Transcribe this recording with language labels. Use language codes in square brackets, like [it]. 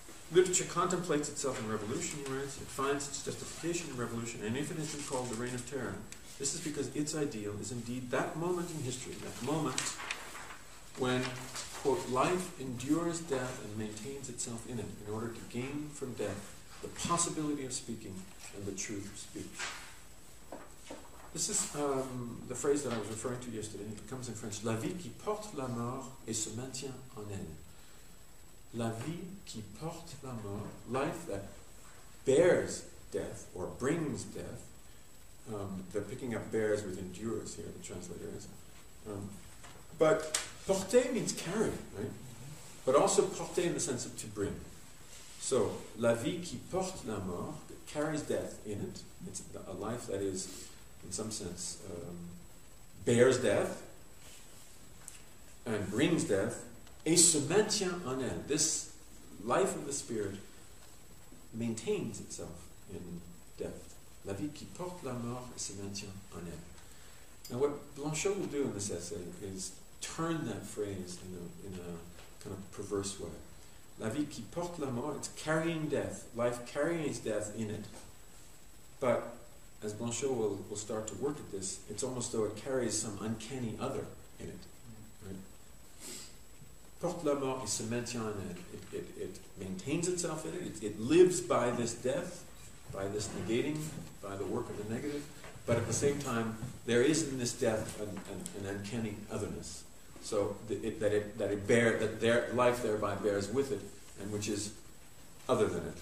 [en] Literature contemplates itself in revolution, right? It finds its justification in revolution, and if it has been called the Reign of Terror, this is because its ideal is indeed that moment in history, that moment when, quote, life endures death and maintains itself in it in order to gain from death the possibility of speaking and the truth of speech. This is the phrase that I was referring to yesterday. It comes in French. [fr] La vie qui porte la mort et se maintient en elle. La vie qui porte la mort, [en] life that bears death or brings death, they're picking up bears with endures here, the translator is. But porter means carry, right? But also porter in the sense of to bring. So, [fr] la vie qui porte la mort, [en] that carries death in it, it's a life that is, in some sense, bears death and brings death. [fr] Et se maintient en elle. [en] This life of the spirit maintains itself in death. [fr] La vie qui porte la mort se maintient en elle. [en] Now, what Blanchot will do in this essay is turn that phrase in a kind of perverse way. [fr] La vie qui porte la mort, [en] it's carrying death. Life carries death in it. But as Blanchot will start to work at this, it's almost though it carries some uncanny other in it. [fr] Porte la mort et se maintient en elle. [en] It maintains itself in it. It lives by this death, by this negating, by the work of the negative. But at the same time, there is in this death an uncanny otherness. So that life thereby bears with it, and which is other than it.